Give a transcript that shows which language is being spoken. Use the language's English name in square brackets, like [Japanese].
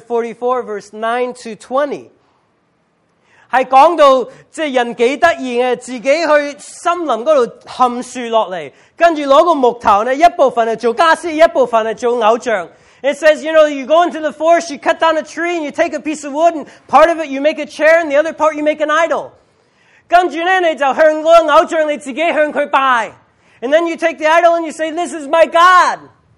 [English] 44:9-20. It says, you know, you go into the forest, you cut down a tree, and you take a piece of wood, and part of it you make a chair, and the other part you make an idol. [Chinese] 根据呢,你就向那个偶像你自己向他拜。 [English] And then you take the idol and you say, this is my God.